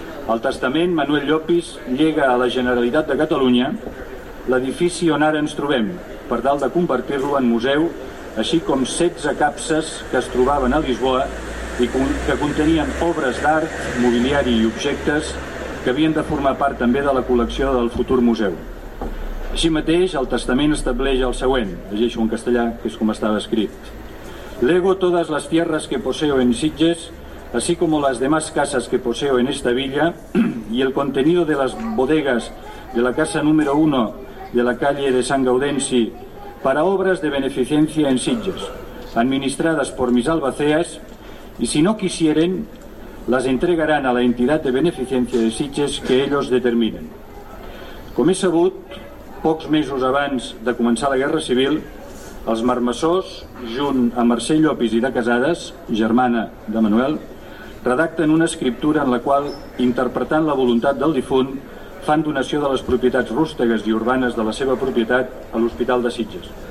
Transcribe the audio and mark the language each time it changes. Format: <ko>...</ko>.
<ca>Al testament, Manuel Llopis llega a la Generalitat de Catalunya l'edifici on ara ens trobem, per tal de convertir-lo en museu, així com 16 capses que es trobaven a Lisboa i que contenien obres d'art, mobiliari i objectes que havien de formar part també de la col·lecció del futur museu. Així mateix, el testament estableix el següent, llegeixo en castellà, que és com estava escrit.</ca> <es>Lego todas las tierras que poseo en Sitges, así como las demás casas que poseo en esta villa, y el contenido de las bodegas de la casa número 1 de la calle de San Gaudenci para obras de beneficencia en Sitges, administradas por mis albaceas, y si no quisieren, las entregarán a la entidad de beneficencia de Sitges que ellos determinen.</es> <ca>Com és sabut, pocs mesos abans de començar la Guerra Civil, Els marmessors, junt a Mercè Llopis i de Casades, germana de Manuel, redacten una escriptura en la qual, interpretant la voluntat del difunt, fan donació de les propietats rústegues i urbanes de la seva propietat a l'Hospital de Sitges.</ca>